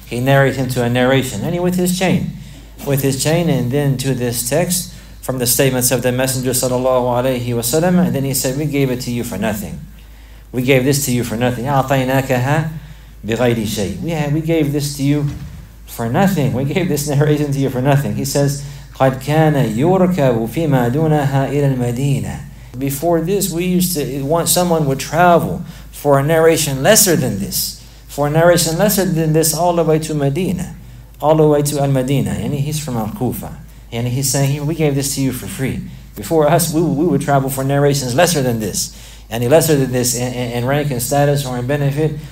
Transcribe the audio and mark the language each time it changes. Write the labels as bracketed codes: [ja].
[en] He narrated him to a narration, and he with his chain, and then to this text from the statements of the Messenger sallallahu alayhi wa sallam, and then he said, we gave it to you for nothing. We gave this to you for nothing. [ar] أَعْطَيْنَاكَهَا بِغَيْرِ شَيْءٍ. [en] We gave this to you for nothing. We gave this narration to you for nothing. He says, [ar] قَدْ كَانَ يُرْكَبُ فِي مَا دُونَهَا إِلَى الْمَدِينَةِ. [en] Before this, we used to want someone would travel for a narration lesser than this. For a narration lesser than this all the way to Medina. All the way to Al-Madinah. And he's from Al-Kufa. And he's saying, we gave this to you for free. Before us, we would travel for narrations lesser than this. Any lesser than this in rank and status or in benefit.